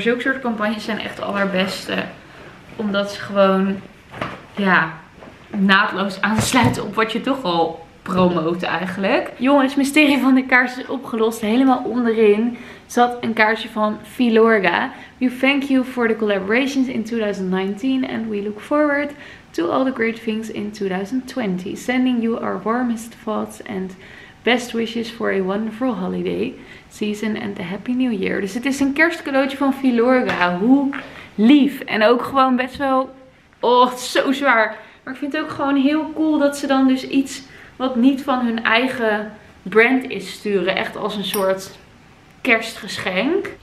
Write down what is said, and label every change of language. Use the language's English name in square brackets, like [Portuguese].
[Dutch] Zulke soort campagnes zijn echt allerbeste. Omdat ze gewoon, ja, naadloos aansluiten op wat je toch al promoten eigenlijk. Jongens, mysterie van de kaars is opgelost. Helemaal onderin zat een kaarsje van Filorga. [English] We thank you for the collaborations in 2019 and we look forward to all the great things in 2020. Sending you our warmest thoughts and best wishes for a wonderful holiday season and a happy new year. [Dutch] Dus het is een kerstcadeautje van Filorga. Hoe lief. En ook gewoon best wel, oh, zo zwaar. Maar ik vind het ook gewoon heel cool dat ze dan dus iets wat niet van hun eigen brand is sturen. Echt als een soort kerstgeschenk.